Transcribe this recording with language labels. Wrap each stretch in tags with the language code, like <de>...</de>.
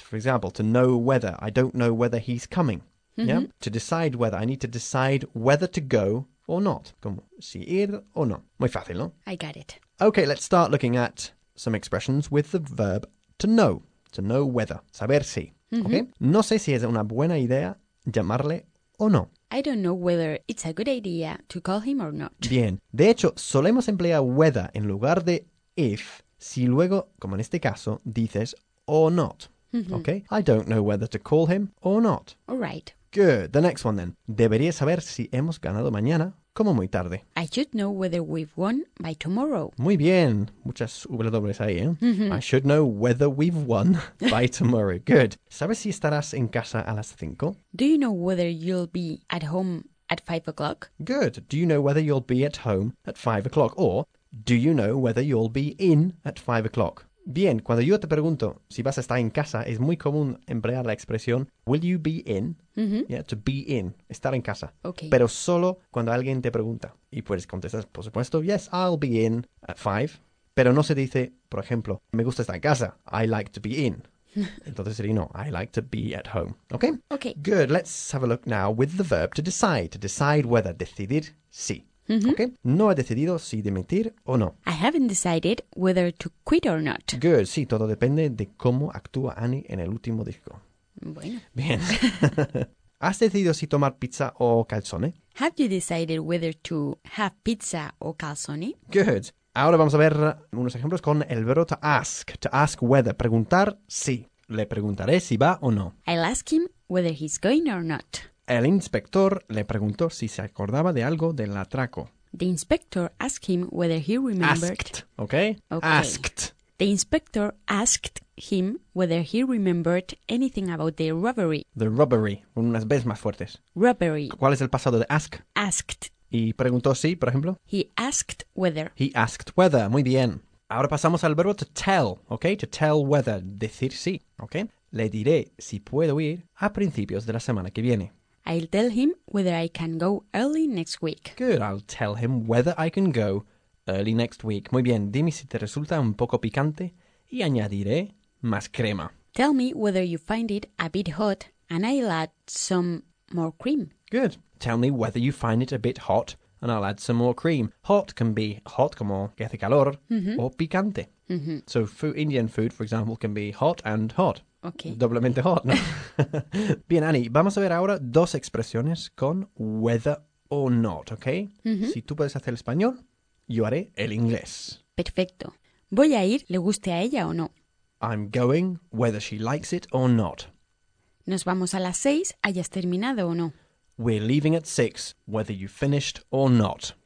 <en>For example, to know whether. I don't know whether he's coming. Yeah? To decide whether. I need to decide whether to go or not.</en> <es>Como si ir o no. Muy fácil, ¿no?</es> <en>I get it. Okay, let's start looking at some expressions with the verb to know. To know whether.</en> <es>Saber si.</es> <en>Okay?</en> <es>No sé si es una buena idea llamarle o no.</es> <en>I don't know whether it's a good idea to call him or not.</en> <es>Bien. De hecho, solemos emplear whether en lugar de if, si luego, como en este caso, dices or not. Okay?</es> <en>I don't know whether to call him or not. All right. Good. The next one then.</en> <es>Debería saber si hemos ganado mañana, como muy tarde.</es> <en>I should know whether we've won by tomorrow.</en> <es>Muy bien. Muchas W's ahí, ¿eh?</es> <en>I should know whether we've won by tomorrow. Good.</en> <es>¿Sabes si estarás en casa a las 5?</es> <en>Do you know whether you'll be at home at 5 o'clock? Good. Do you know whether you'll be at home at 5 o'clock? Or, do you know whether you'll be in at 5 o'clock?</en> <es>Bien, cuando yo te pregunto si vas a estar en casa, es muy común emplear la expresión</es> <en>will you be in? Yeah, to be in,</en> <es>estar en casa.</es> <en>Okay.</en> <es>Pero solo cuando alguien te pregunta. Y puedes contestar, por supuesto,</es> <en>yes, I'll be in at 5.</en> <es>Pero no se dice, por ejemplo, me gusta estar en casa.</es> <en>I like to be in.</en> <es>Entonces sería no,</es> <en>I like to be at home. Okay? Okay. Good, let's have a look now with the verb to decide. To decide whether,</en> <es>decidir, sí. Okay. No he decidido si dimitir o no.</es> <en>I haven't decided whether to quit or not. Good.</en> <es>Sí, todo depende de cómo actúa Annie en el último disco. Bueno. Bien. ¿Has decidido si tomar pizza o calzone?</es> <en>Have you decided whether to have pizza or calzone? Good.</en> <es>Ahora vamos a ver unos ejemplos con el verbo</es> <en>to ask. To ask whether.</en> <es>Preguntar si. Le preguntaré si va o no.</es> <en>I'll ask him whether he's going or not.</en> <es>El inspector le preguntó si se acordaba de algo del atraco.</es> <en>The inspector asked him whether he remembered... Asked, okay? Okay. Asked. The inspector asked him whether he remembered anything about the robbery. The robbery.</en> <es>Unas veces más fuertes.</es> <en>Robbery.</en> <es>¿Cuál es el pasado de ask?</es> <en>Asked.</en> <es>¿Y preguntó si, por ejemplo?</es> <en>He asked whether. He asked whether.</en> <es>Muy bien. Ahora pasamos al verbo</es> <en>to tell, okay? To tell whether.</en> <es>Decir sí, okay? Le diré si puedo ir a principios de la semana que viene.</es> <en>I'll tell him whether I can go early next week. Good, I'll tell him whether I can go early next week.</en> <es>Muy bien, dime si te resulta un poco picante y añadiré más crema.</es> <en>Tell me whether you find it a bit hot and I'll add some more cream. Good, tell me whether you find it a bit hot and I'll add some more cream. Hot can be hot,</en> <es>como que hace calor,</es> <en>or picante. So Indian food, for example, can be hot and hot. Okay.</en> <es>Doblemente hot, ¿no? Bien, Annie, vamos a ver ahora dos expresiones con</es> <en>whether or not,</en> <es>¿ok? Si tú puedes hacer el español, yo haré el inglés. Perfecto. Voy a ir, le guste a ella o no.</es> <en>I'm going, whether she likes it or not.</en> <es>Nos vamos a las 6, hayas terminado o no.</es> <en>We're leaving at 6, whether you finished or not.</en>